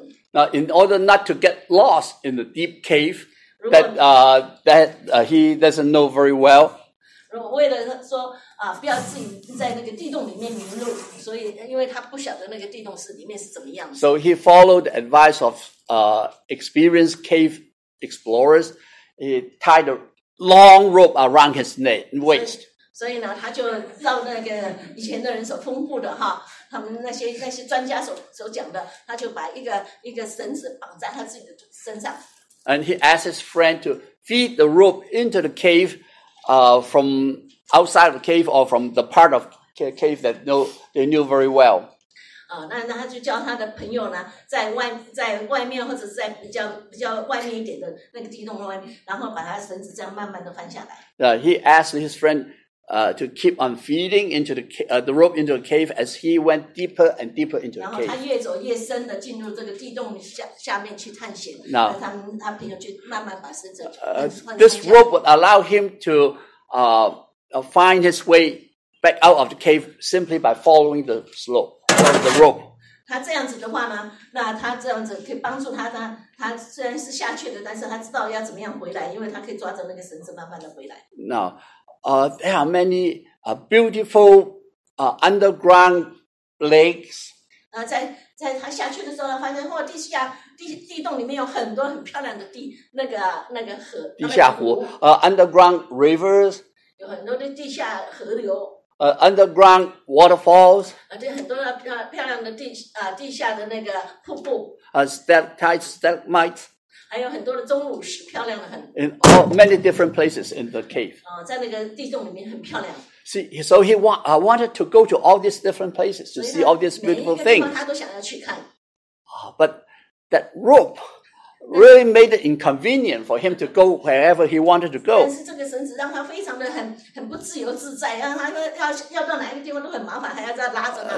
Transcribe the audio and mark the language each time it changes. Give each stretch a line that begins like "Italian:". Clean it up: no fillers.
English: Now, in order not to get lost in the deep cave that he doesn't know very well, so he followed the advice of experienced cave explorers. He tied a long rope around his waist.
Chinese: 所以呢，他就照那个以前的人所吩咐的哈。他们那些专家所讲的，他就把一个绳子绑在他自己的身上。
English: And he asked his friend to feed the rope into the cave, from outside of the cave or from the part of cave that they knew very well.
Chinese: 那他就叫他的朋友呢，在外面或者是在比较外面一点的那个地洞外面，然后把他的绳子这样慢慢的放下来。
English: He asked his friend. To keep on feeding into the rope into the cave as he went deeper and deeper into the cave.
Chinese: 然后他越走越深的进入这个地洞下面去探险。
English: Now,
Chinese: 他朋友就慢慢把绳子
English: This rope would allow him to find his way back out of the cave simply by following the slope of the rope.
Chinese: 他这样子的话呢，那他这样子可以帮助他呢。他虽然是下去的，但是他知道要怎么样回来，因为他可以抓着那个绳子慢慢的回来。
English: Now. There are many beautiful underground lakes.
Chinese: 在他下去的时候，发现地洞里面有很多很漂亮的那个河。地下湖。
English: Underground rivers.
Chinese: 有很多的地下河流。
English: Underground waterfalls.
Chinese: 对，很多的漂亮的地下的那个瀑布。
English: Stalactites.
Chinese: 还有很多的钟乳石，漂亮的很。
English: In all many different places in the cave.
Chinese: 在那个地洞里面很漂亮。
English: See, so he wanted to go to all these different places to see all these beautiful things.
Chinese: 每一个地方他都想要去看。
English: But that rope really made it inconvenient for him to go wherever he wanted to go.
Chinese: 但是这个绳子让他非常的很不自由自在，让他要到哪一个地方都很麻烦，还要再拉着他。